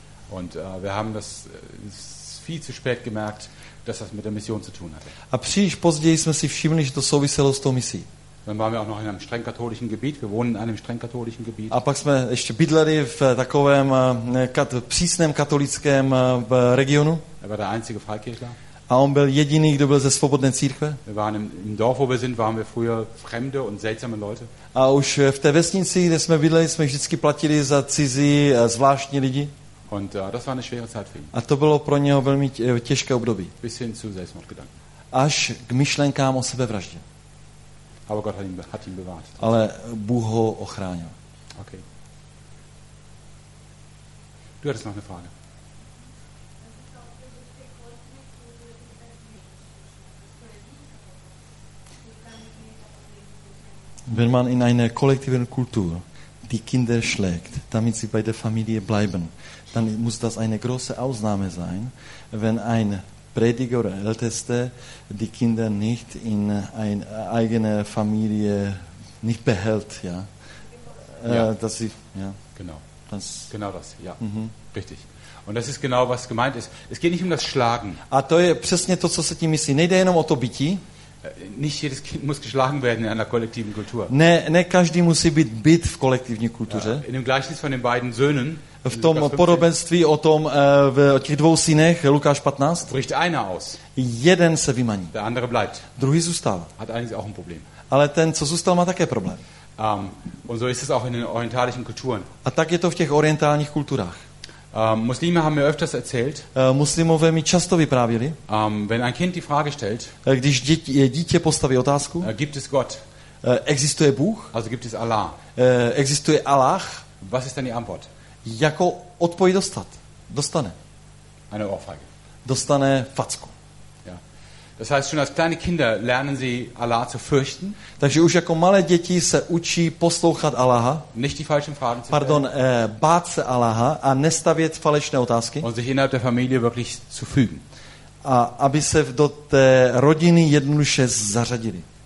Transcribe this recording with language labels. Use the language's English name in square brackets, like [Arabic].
[German] Und wir haben das viel zu spät gemerkt, dass das mit der Mission zu tun hatte. [Czech] A příliš později jsme si všimli, že to souviselo s tou misí. [German] Dann waren wir auch noch in einem streng katholischen Gebiet. Wir wohnen in einem streng katholischen Gebiet. [Czech] A pak jsme ještě bydleli v takovém přísném katolickém regionu. [German] Er war der einzige Freikirchler. [Czech] A on byl jediný, kdo byl ze svobodné církve. [German] Wir waren im Dorf, wo wir sind, waren wir früher fremde und seltsame Leute. [Czech] A už v té vesnici, kde jsme bydleli, jsme vždycky platili za cizí, zvláštní lidi. [German] Und das war eine schwere Zeit für ihn. [Czech] A to bylo pro něho velmi těžké období. [German] Bis hin zu Selbstmordgedanken. [Czech] Až k myšlenkám o sebevraždě. [German] Aber Gott hat ihn bewahrt. [Czech] Ale Bůh ho ochránil. [German] Okay. Du hattest noch eine Frage. Wenn man in einer kollektiven Kultur die Kinder schlägt, damit sie bei der Familie bleiben, dann muss das eine große Ausnahme sein, wenn ein Prediger oder Älteste die Kinder nicht in eine eigene Familie nicht behält, ja? Dass sie, ja. Genau. Genau das, ja. Mhm. Richtig. Und das ist genau, was gemeint ist. Es geht nicht um das Schlagen. [Czech] A to je přesně to, co se tím myslí. Nejde jenom o to bití. [German] Nicht jedes Kind muss geschlagen werden in einer kollektiven Kultur. [Czech] Ne každý musí být bit v kolektivní kultuře. [German] In dem Gleichnis von den beiden Söhnen. [Czech] V tom podobenství o tom o těch dvou synech Lukáš 15. [German] Bricht einer aus. [Czech] Jeden se vymaní. [German] Der andere bleibt. [Czech] Druhý zůstal. [German] Hat eigentlich auch ein Problem. [Czech] Ale ten, co zůstal, má také problém. [German] Und so ist es auch in den orientalischen Kulturen. [Czech] A tak je to v těch orientálních kulturách. [German] Muslime haben mir öfters erzählt. [Czech] Muslimové mi často vyprávěli. [German] Wenn ein Kind die Frage stellt. [Czech] Když dítě postaví otázku. [German] Gibt es Gott? [Czech] Existuje Bůh? [German] Also gibt es Allah? [Czech] Existuje Allah? [German] Was ist denn die Antwort? [Czech] Jako odpověď dostane. [German] Eine Ohrfeige. [Czech] Dostane facku. [German] Ja. Das heißt, schon als kleine Kinder lernen sie Allah zu fürchten. [Czech] Takže už jako malé děti se učí poslouchat Allaha. [German] Nicht die falschen Fragen zu stellen. [Czech] Pardon, bát se Allaha a nestavět falešné otázky. [German] Und sich innerhalb der Familie wirklich zu fügen. [Czech] A aby se do té rodiny jednoduše zařadili.